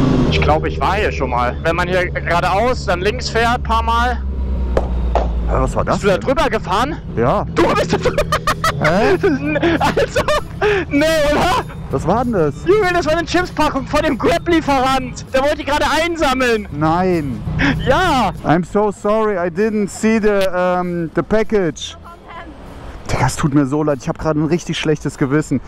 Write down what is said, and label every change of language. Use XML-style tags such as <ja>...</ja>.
<de>Ich glaube, ich war hier schon mal. Wenn man hier geradeaus, dann links fährt, paar Mal. Ja, was war das? Bist du denn da drüber gefahren? Ja. Du bist da drüber. Hä? Also, nee, oder? Was war denn das? Junge, das war eine Chipspackung von dem Grab-Lieferant. Der wollte die gerade einsammeln. Nein. Ja.</de> <en>I'm so sorry, I didn't see the package.</en> <de>Digga, es tut mir so leid. Ich habe gerade ein richtig schlechtes Gewissen.</de>